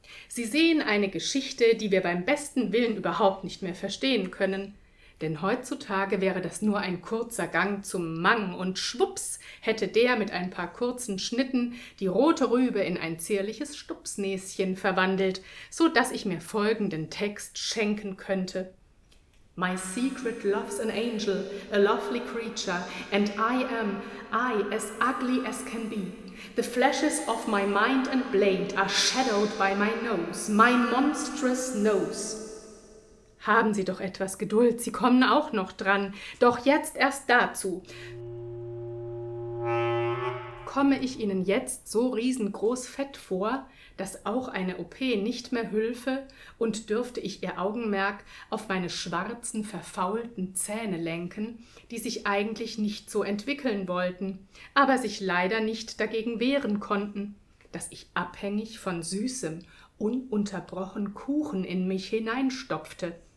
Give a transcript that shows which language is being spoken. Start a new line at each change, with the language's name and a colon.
German: Sie sehen eine Geschichte, die wir beim besten Willen überhaupt nicht mehr verstehen können. Denn heutzutage wäre das nur ein kurzer Gang zum Mang und schwupps hätte der mit ein paar kurzen Schnitten die rote Rübe in ein zierliches Stupsnäschen verwandelt, so dass ich mir folgenden Text schenken könnte.
English: My secret loves an angel, a lovely creature, and I am as ugly as can be. The flashes of my mind and blade are shadowed by my nose, my monstrous nose.
German: Haben Sie doch etwas Geduld, Sie kommen auch noch dran. Doch jetzt erst dazu. Komme ich Ihnen jetzt so riesengroß fett vor, dass auch eine OP nicht mehr hülfe und dürfte ich Ihr Augenmerk auf meine schwarzen, verfaulten Zähne lenken, die sich eigentlich nicht so entwickeln wollten, aber sich leider nicht dagegen wehren konnten, dass ich abhängig von Süßem ununterbrochen Kuchen in mich hineinstopfte.